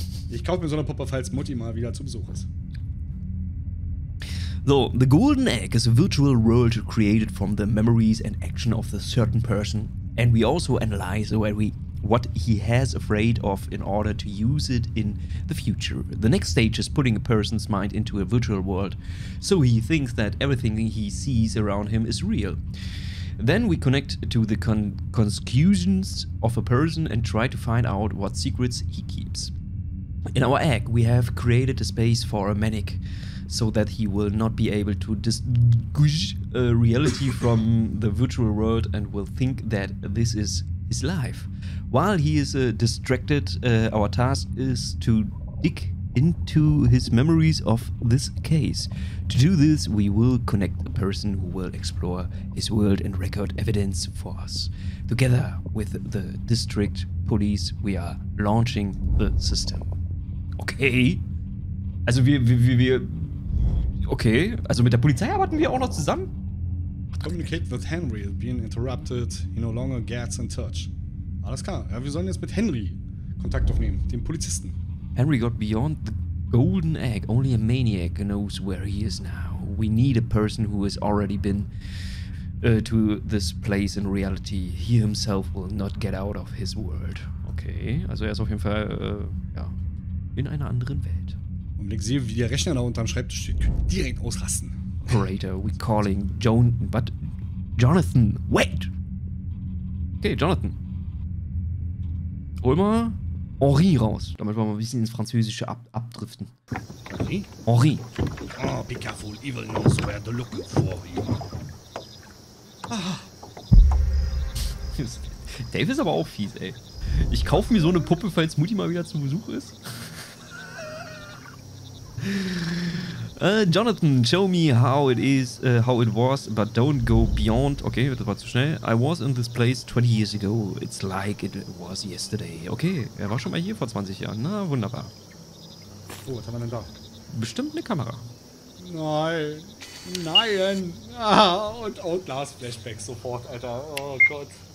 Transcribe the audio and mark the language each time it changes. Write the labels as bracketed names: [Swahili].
[German] Ich kaufe mir so eine Puppe, falls Mutti mal wieder zu Besuch ist. [English] So, the golden egg is a virtual world created from the memories and action of a certain person. And we also analyze what he has afraid of in order to use it in the future. The next stage is putting a person's mind into a virtual world, so he thinks that everything he sees around him is real. Then we connect to the conclusions of a person and try to find out what secrets he keeps. In our egg, we have created a space for a manic, so that he will not be able to distinguish reality from the virtual world and will think that this is his life. While he is distracted, our task is to dig into his memories of this case. To do this, we will connect a person who will explore his world and record evidence for us. Together with the district police, we are launching the system. Okay. [German] Also wir okay, also mit der Polizei arbeiten wir auch noch zusammen? [English] Communicate with Henry, being interrupted, he no longer gets in touch. [German] Alles klar, ja, wir sollen jetzt mit Henry Kontakt aufnehmen, dem Polizisten. [English] Henry got beyond the golden egg, only a maniac knows where he is now. We need a person who has already been to this place in reality. He himself will not get out of his world. [German] Okay, also er ist auf jeden Fall ja, in einer anderen Welt. Und ich sehe, wie der Rechner da unterm Schreibtisch steht. Direkt ausrasten. [English] Operator, we calling Joan, but Jonathan, wait! Okay, Jonathan. [German] Hol mal Henri raus, damit wir mal ein bisschen ins Französische abdriften. Henri? Henri. [English] Oh, be careful, evil knows where to look for you. [German] Dave ist aber auch fies, ey. Ich kaufe mir so eine Puppe, falls Mutti mal wieder zu Besuch ist. [English] Jonathan, show me how it is, how it was, but don't go beyond. [German] Okay, das war zu schnell. [English] I was in this place 20 years ago. It's like it was yesterday. [German] Okay, er war schon mal hier vor 20 Jahren. Na, wunderbar. Oh, was haben wir denn da? Bestimmt eine Kamera. Nein. Ah, und Outlast-Flashbacks sofort, Alter. Oh Gott.